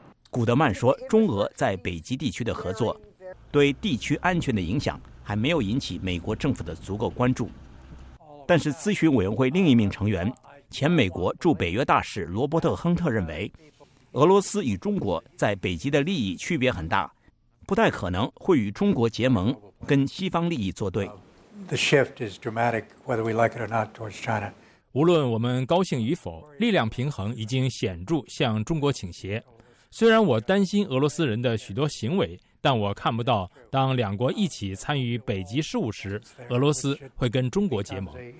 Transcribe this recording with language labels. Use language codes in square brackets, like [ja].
[zh] 古德曼说，中俄在北极地区的合作对地区安全的影响还没有引起美国政府的足够关注。但是咨询委员会另一名成员、前美国驻北约大使罗伯特·亨特认为，俄罗斯与中国在北极的利益区别很大，不太可能会与中国结盟，跟西方利益作对。 [en] The shift is dramatic, whether we like it or not, towards China. [zh] 无论我们高兴与否，力量平衡已经显著向中国倾斜。虽然我担心俄罗斯人的许多行为，但我看不到当两国一起参与北极事务时，俄罗斯会跟中国结盟。